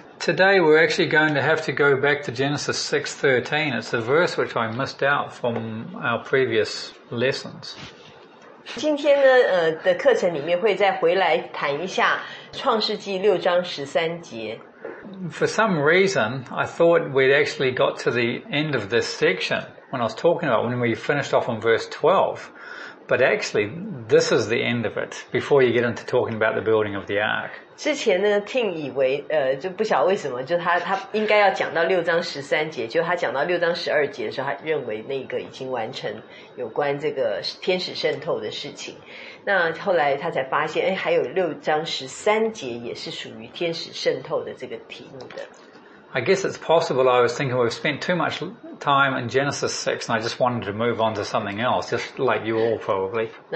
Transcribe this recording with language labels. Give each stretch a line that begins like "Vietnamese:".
English: Today we're actually going to have to go back to Genesis 6:13. It's a verse which I missed out from our previous lessons.
Chinese: 今天的课程里面会再回来谈一下创世纪6章13节。
English: For some reason, I thought we'd actually got to the end of this section when I was talking about when we finished off on verse 12. But actually, this is the end of it before you get into talking about the building of the ark.
Chinese: 之前呢，听以为就不晓得为什么，就他应该要讲到六章十三节，就他讲到六章十二节的时候，他认为那个已经完成有关这个天使渗透的事情。那后来他才发现，哎，还有六章十三节也是属于天使渗透的这个题目的。
English: I guess it's possible I was thinking we've spent too much time in Genesis 6 and I just wanted to move on to something else, just like you all probably.